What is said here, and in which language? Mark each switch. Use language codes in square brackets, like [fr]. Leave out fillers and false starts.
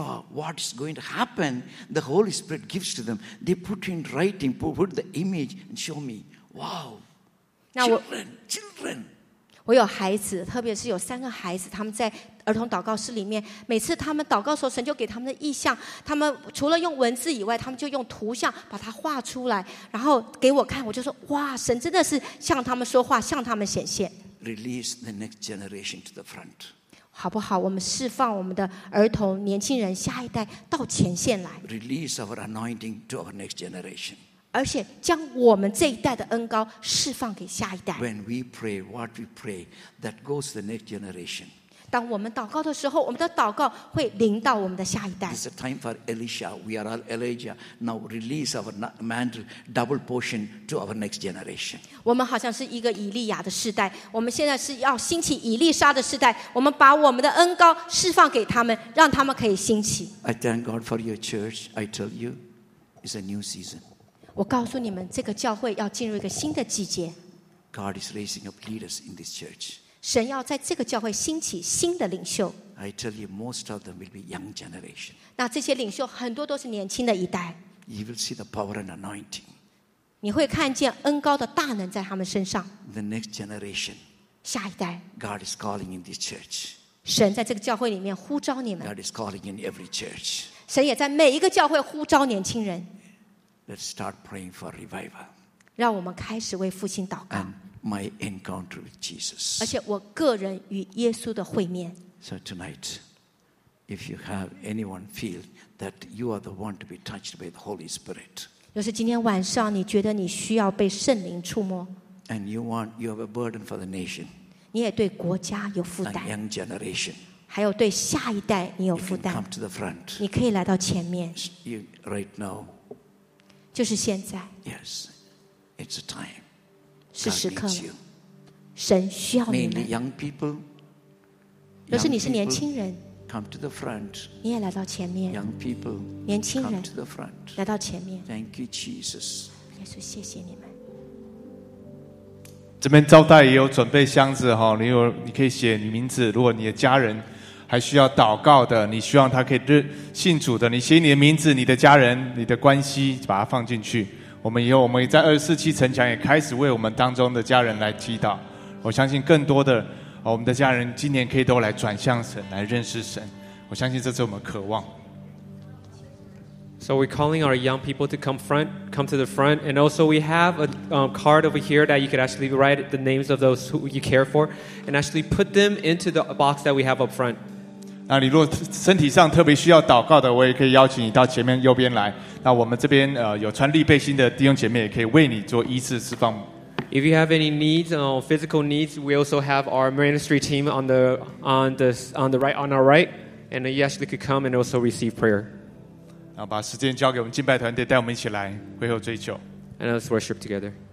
[en] What's going to happen, the Holy Spirit gives to them. They put in writing, put the image and show me. Wow. Children, children. [zh] 我有孩子，特别是有三个孩子，他们在儿童祷告室里面，每次他们祷告的时候，神就给他们的意象，他们除了用文字以外，他们就用图像把它画出来，然后给我看，我就说，哇，神真的是向他们说话，向他们显现。 [en] Release the next generation to the front. [zh] 好不好？我们释放我们的儿童、年轻人、下一代到前线来。 [en] Release our anointing to our next generation. [zh] 而且将我们这一代的恩膏释放给下一代。 [en] When we pray, what we pray, that goes to the next generation. [zh] 当我们祷告的时候，我们的祷告会临到我们的下一代。 [en] It's a time for Elisha. We are all Elijah. Now release our mantle, double portion to our next generation. [zh] 我们好像是一个以利亚的世代，我们现在是要兴起以利沙的世代。我们把我们的恩膏释放给他们，让他们可以兴起。 [en] I thank God for your church. I tell you, it's a new season. [zh] 我告诉你们，这个教会要进入一个新的季节。 [en] God is raising up leaders in this church. [zh] 神要在这个教会兴起新的领袖。 [en] I tell you, most of them will be young generation. [zh] 那这些领袖很多都是年轻的一代。 [en] You will see the power and anointing. [zh] 你会看见恩膏的大能在他们身上。 [en] The next generation. [zh] 下一代。 [en] God is calling in this church. [zh] 神在这个教会里面呼召你们。 [en] God is calling in every church. [zh] 神也在每一个教会呼召年轻人。 [en] Let's start praying for revival. [zh] 让我们开始为复兴祷告。 [en] My encounter with Jesus. [zh] 而且我个人与耶稣的会面。 [en] So tonight, if you have anyone feel that you are the one to be touched by the Holy Spirit, [zh] 就是今天晚上你觉得你需要被圣灵触摸。 [en] And you have a burden for the nation. [zh] 你也对国家有负担。 [en] And young generation. [zh] 还有对下一代你有负担。 [en] You can come to the front. [zh] 你可以来到前面。 [en] You, right now. [zh] 就是现在。 [en] Yes, it's a time. [zh] 是时刻了。神需要你们。 [en] Mainly young people. [zh] 若是你是年轻人。 [en] Come to the front. [zh] 你也来到前面。 [en] Young people. [zh] 年轻人。 [en] Come to the front. [zh] 来到前面。 [en] Thank you, Jesus. [zh] 耶稣，谢谢你们。这边招待也有准备箱子，你有，你可以写你名字，如果你的家人还需要祷告的，你希望他可以信主的，你写你的名字，你的家人，你的关系，把它放进去。我们以后我们也在二十四期城墙也开始为我们当中的家人来祈祷，我相信更多的我们的家人今年可以都来转向神，来认识神，我相信这是我们渴望。 [en] So we're calling our young people to come front, come to the front. And also we have a card over here that you could actually write the names of those who you care for and actually put them into the box that we have up front. [zh] 那你如果身体上特别需要祷告的，我也可以邀请你到前面右边来。那我们这边有穿立背心的弟兄姐妹也可以为你做医治释放。 [en] If you have any needs, physical needs, we also have our ministry team on our right. And you actually could come and also receive prayer. [zh] 然后把时间交给我们敬拜团队，带我们一起来会后追求。 [en] And let's worship together.